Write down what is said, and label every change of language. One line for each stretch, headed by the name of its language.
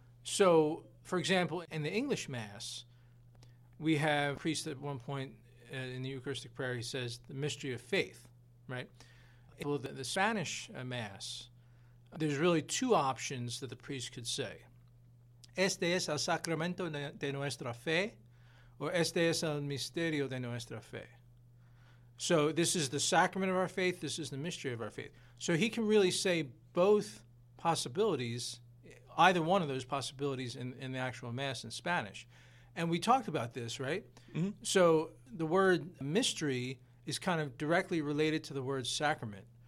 English: So, for example, in the English Mass, we have a priest at one point in the Eucharistic prayer, he says, the mystery of faith, right? Well, the Spanish Mass, there's really two options that the priest could say.
Spanish: Este es el sacramento de nuestra fe, or este es el misterio de nuestra fe.
English: So this is the sacrament of our faith, this is the mystery of our faith. So he can really say both possibilities, either one of those possibilities in the actual Mass in Spanish. And we talked about this, right? Mm-hmm. So the word mystery is kind of directly related to the word sacrament.